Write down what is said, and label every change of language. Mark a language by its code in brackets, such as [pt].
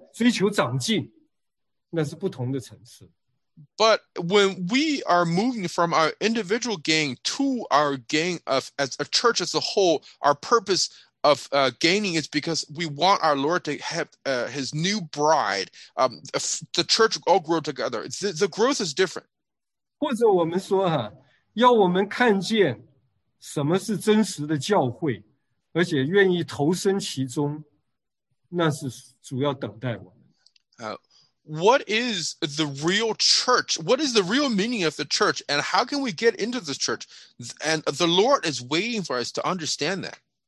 [zh] 要把我们从这个感觉带到了，我为着神的牺牲，他爱子要得着的，那个心腹，我来追求主，我来追求长进，那是不同的层次。 [en] But when we are moving from our individual gain to our gain of as a church as a whole, our purpose of gaining is because we want our Lord to have his new bride, the church all grow together. The growth is different. [zh] 或者我们说啊，要我们看见什么是真实的教会，而且愿意投身其中，那是主要等待我。 [en] What is the real church? What is the real meaning of the church? And how can we get into the church? And the Lord is waiting for us to understand that.